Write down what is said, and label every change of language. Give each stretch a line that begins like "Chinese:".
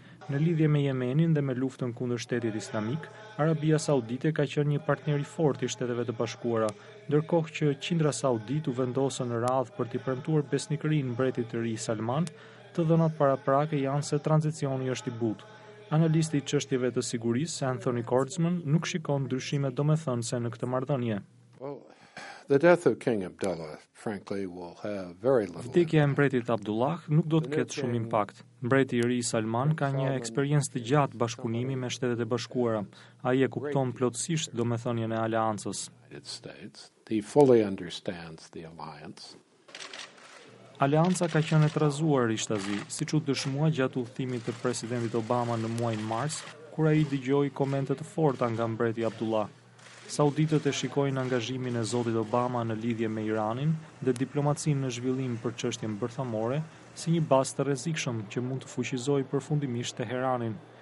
Albanian: Në lidhje me Yemenin dhe me luftën kundër Shtetit Islamik, Arabia Saudite ka qenë një partner i fortë i Shteteve të Bashkuara, ndërkohë që qindra saudit u vendosën në radhë për t'i premtuar besnikërinë mbretit të ri Salman, të dhënat paraprake janë se tranzicioni është i butë. Analisti i çështjeve të sigurisë Anthony Kurtzman nuk shikon ndryshime domethënëse në këtë marrëdhënie.
English: The death of King Abdullah, frankly, will have very little.
Albanian: Vdekja e mbretit Abdullah nuk do të ketë shumë impakt. Mbreti i ri Salman ka një eksperiencë të gjatë bashkëpunimi me Shtetet e Bashkuara. Ai e kupton plotësisht domethënien e aleancës.
English: He fully understands the alliance.
Albanian: Aleanca ka qenë e trazuar ishtazi, siç u dëshmua gjatë udhëtimit të presidentit Obama në muajin mars, kur ai dëgjoi komente të forta nga mbreti Abdullah. Sauditët e shikojnë angazhimin e Zotit Obama në lidhje me Iranin dhe diplomacinë në zhvillim për çështjen bërthamore si një bazë të rrezikshëm që mund të fuqizojë përfundimisht Teheranin.